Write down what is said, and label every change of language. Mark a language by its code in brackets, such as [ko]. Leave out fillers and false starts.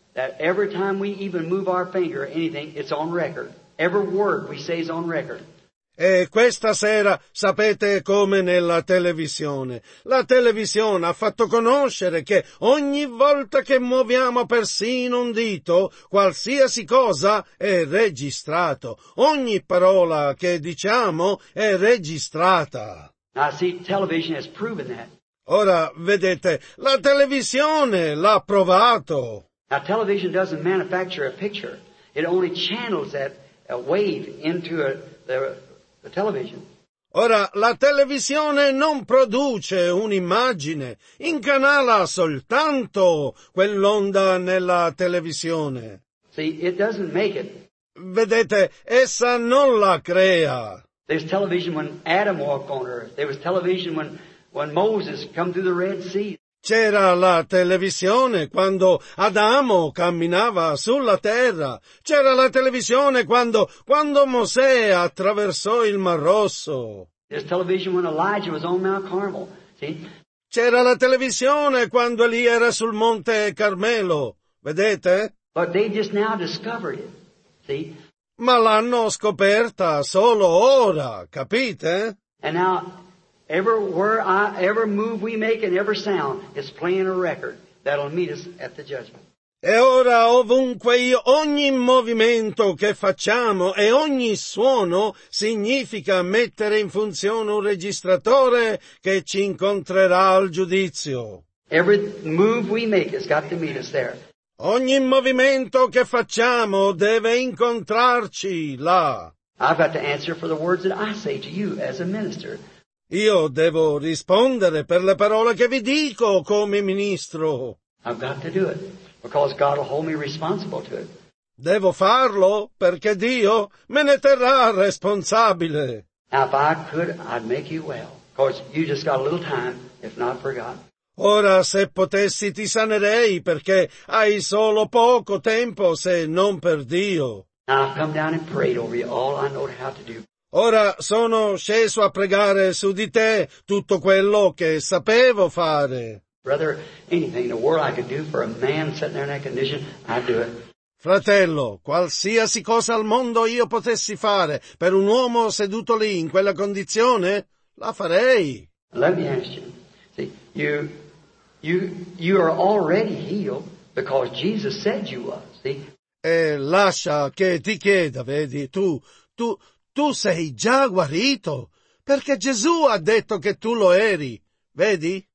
[en] that every time we even move our finger or anything, it's on record. Every word we say is on record. [it] E questa sera sapete come nella televisione. La televisione ha fatto conoscere che ogni volta che muoviamo persino un dito, qualsiasi cosa è registrato. Ogni parola che diciamo è registrata. [en] Now, see, television has proven that. [it] Ora, vedete, la televisione l'ha provato. [en] Now, television doesn't manufacture a picture. It only channels that a wave into the television. [it] Ora, la televisione non produce un'immagine, incanala soltanto quell'onda nella televisione. [en] See, it doesn't make it. [it] Vedete, essa non la crea. [en] There's television when Adam walked on earth. There was television when Moses came through the Red Sea. [it] C'era la televisione quando Adamo camminava sulla terra. C'era la televisione quando Mosè attraversò il Mar Rosso. [en] There's television when Elijah was on Mount Carmel. See? [it] C'era la televisione quando Elia era sul Monte Carmelo. Vedete? [en] But they just now discovered it. See? [it] Ma l'hanno scoperta solo ora, capite? [en] And now, every move we make and every sound is playing a record that'll meet us at the judgment. [it] E ora ovunque io, ogni movimento che facciamo e ogni suono significa mettere in funzione un registratore che ci incontrerà al giudizio. [en] Every move we make has got to meet us there. [it] Ogni movimento che facciamo deve incontrarci là. [en] I've got to answer for the words that I say to you as a minister. [it] Io devo rispondere per le parole che vi dico come ministro. [en] I've got to do it, because God will hold me responsible to it. [it] Devo farlo perché Dio me ne terrà responsabile. [en] Now, if I could, I'd make you well. Of course, you just got a little time, if not for God. [it] Ora, se potessi, ti sanerei, perché hai solo poco tempo, se non per Dio. [en] I've come down and prayed over you all I know how to do. [it] Ora sono sceso a pregare su di te tutto quello che sapevo fare. [en] Brother, anything in the world I could do for a man sitting there in that condition, I'd do it. [it] Fratello, qualsiasi cosa al mondo io potessi fare per un uomo seduto lì in quella condizione, la farei. [en] Let me ask you. See, you are already healed because Jesus said you were. See? [it] E lascia che ti chieda, vedi, tu sei già guarito, perché Gesù ha detto che tu lo eri, vedi?